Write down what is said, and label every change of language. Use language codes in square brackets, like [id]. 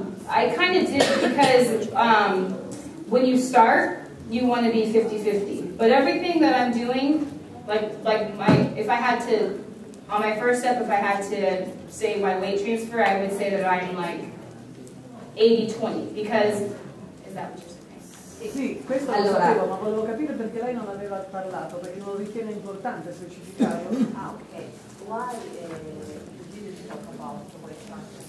[en] I kind of did because when you start, you want to be 50-50. But everything that I'm doing, like my, if I had to, on my first step, if I had to say my weight transfer, I would say that I'm like 80-20 because, is that what you're saying? [it] Sì, questo lo allora, sapevo, ma volevo capire perché lei non aveva parlato, perché non ritiene importante specificarlo. Ah, ok. [en] Why did you talk about the weight transfer?